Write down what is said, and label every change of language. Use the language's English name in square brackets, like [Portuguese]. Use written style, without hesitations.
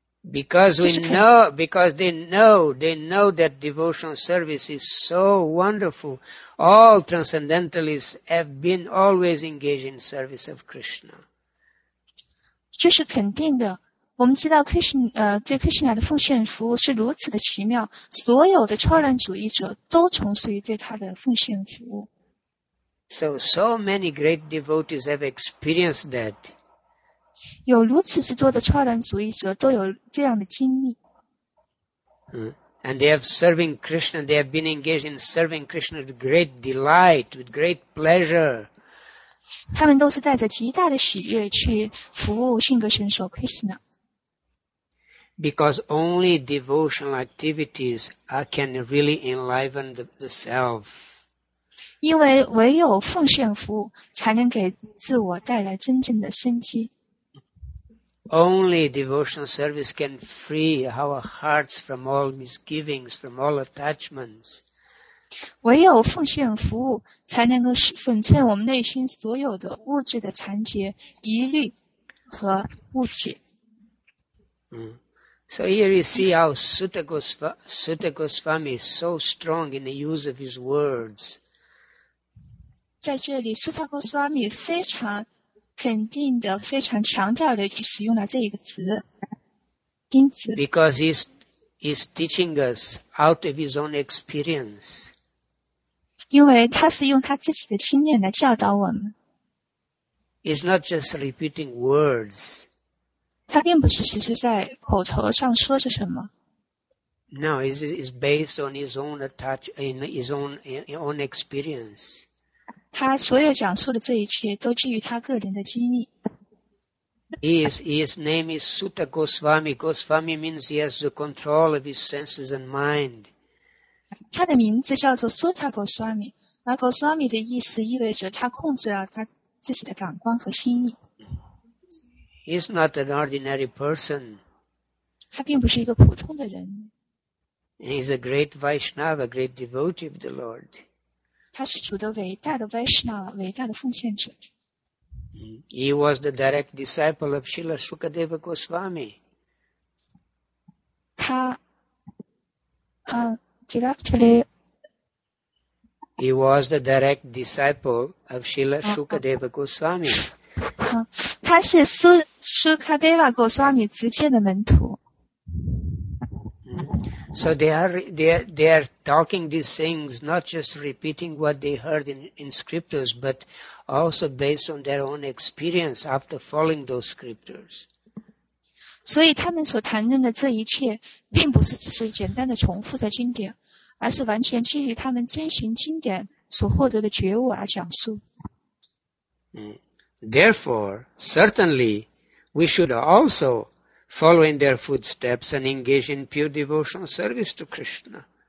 [English] Because they know that devotional service is so wonderful. All transcendentalists have been always engaged in service of Krishna. [Chinese] 这是肯定的。我们知道 对 Krishna 的奉献服务是如此的奇妙，所有的超然主义者都从事于对他的奉献服务。 [English] So many great devotees have experienced that. [Chinese] 有如此之多的超然主义者都有这样的经历。 [English] And they have serving Krishna, they have been engaged in serving Krishna with great delight, with great pleasure. [Chinese] 他们都是带着极大的喜悦去服务性格神手 Krishna。 [English] Because only devotional activities can really enliven the self. [Chinese] 因为唯有奉献服务才能给自我带来真正的生机。 [English] Only devotional service can free our hearts from all misgivings, from all attachments. [Chinese] 唯有奉献服务才能够粉碎我们内心所有的物质的缠结、疑虑和误解。 [English] So here you see how Sutta Goswami is so strong in the use of his words. [Chinese] 在这里 ,Sutta Goswami 非常肯定的、非常强调的去使用了这一个词。因此 [English] Because he's teaching us out of his own experience. [Chinese] 因为他是用他自己的经验来教导我们。 [English] He's not just repeating words. [Chinese] 他并不是只是在口头上说着什么。 [English] No, it's based on his own attach, in his own, in own experience. [Chinese] 他所有讲述的这一切都基于他个人的经历。 [English] His name is Sutta Goswami. Goswami means he has the control of his senses and mind. [Chinese] 他的名字叫做 Sutta Goswami. 而 Goswami 的意思意味着他控制了他自己的感官和心意。 [English] He's not an ordinary person. [Chinese] 他并不是一个普通的人。 [English] He's a great Vaishnava, a great devotee of the Lord. [Chinese] 他是主的伟大的 Vaishnava, 伟大的奉献者。 [English] He was the direct disciple of Srila Sukadeva Goswami. [Chinese] 他 [English] directly... He was the direct disciple of Srila Sukadeva Goswami. [Chinese] 他是苏卡德瓦果斯瓦米直接的门徒。 [English] So they are talking these things, not just repeating what they heard in scriptures, but also based on their own experience after following those scriptures. [Chinese] 所以他们所谈论的这一切并不是只是简单的重复在经典，而是完全基于他们遵循经典所获得的觉悟而讲述。 [English] Therefore, certainly, we should also follow in their footsteps and engage in pure devotional service to Krishna.